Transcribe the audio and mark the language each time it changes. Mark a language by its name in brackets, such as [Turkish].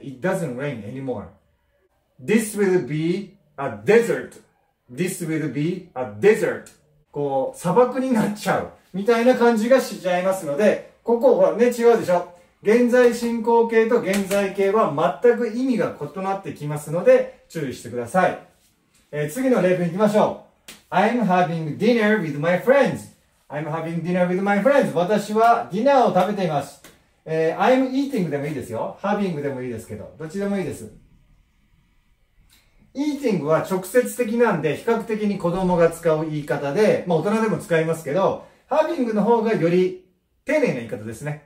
[English] It doesn't rain anymore。 This will be a desertThis will be a desert。 [Japanese] こう砂漠になっちゃうみたいな感じがしちゃいますので、ここほらね、違うでしょ。現在進行形と現在形は全く意味が異なってきますので注意してください。次の例文いきましょう。 [English] I'm having dinner with my friends。 I'm having dinner with my friends。 [Japanese] 私はディナーを食べています。 [English] I'm eating [Japanese] でもいいですよ。 having でもいいですけど、どっちでもいいです。 eating は直接的なんで、比較的に子供が使う言い方で、まあ大人でも使いますけど、having の方がより丁寧な言い方ですね。